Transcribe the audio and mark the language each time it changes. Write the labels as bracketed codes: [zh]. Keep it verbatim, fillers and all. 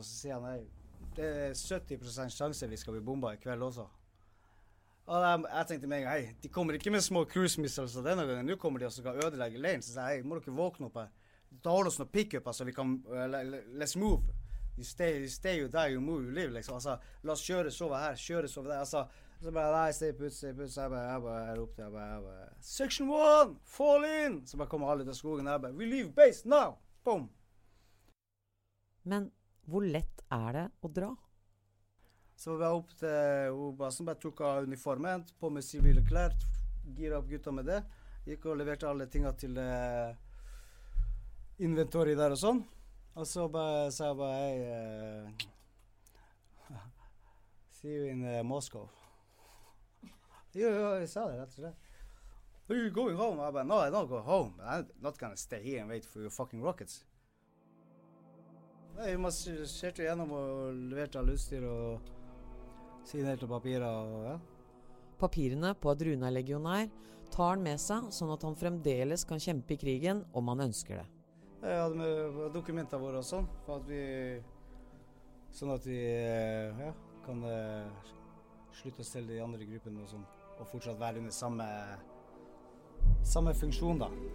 [no] Og så sier han, nei, det er sytti prosent sjanse vi skal bli bomba i kveld også. Og de, jeg tenkte meg, hei, de kommer ikke med små cruise missiles denne gangen, nå kommer de og skal ødelegge leiren. Så jeg sa, hei, må dere våkne opp her? Da holder oss noen pick-up, altså, vi kan, uh, [en] let's move. You stay, you stay, you die, you move, you live, [no] liksom. Altså, la oss kjøre, sove her, kjøre, sove der. Altså, så bare, nei, [en] stay put, stay put, [no] så jeg bare, jeg bare, jeg ropte, jeg bare, jeg bare, [en] section one, fall in! [no] Så bare kommer alle til skogen, jeg bare, [en] we leave base now! Boom! [no] Men hvor lett er det å dra? Så var jeg opp til Obasen, bare tok av uniformen, på med sivile klær, gira opp gutta med det. Gikk og leverte alle tingene til eh, inventory der og sånn. Og så bare, sa jeg bare, hei, eh, [en] see you in uh, Moscow. [no] Jo, jo, jeg sa det rett og slett. [en] Are you going home? [no] Jeg bare, [en] no, I don't go home. I'm not gonna stay here and wait for your fucking rockets. [no] Nei, vi marsjerte gjennom og leverte alle utstyr og... signerte papirer og ja. Papirene på at Rune er legionær tar han med seg sånn at han fremdeles kan kjempe i krigen om han ønsker det. Jeg hadde med dokumenter våre og sånn, for at vi, sånn at vi ja, kan uh, slutte å stelle de andre gruppene og sånn, og fortsatt være under samme, samme funksjon da.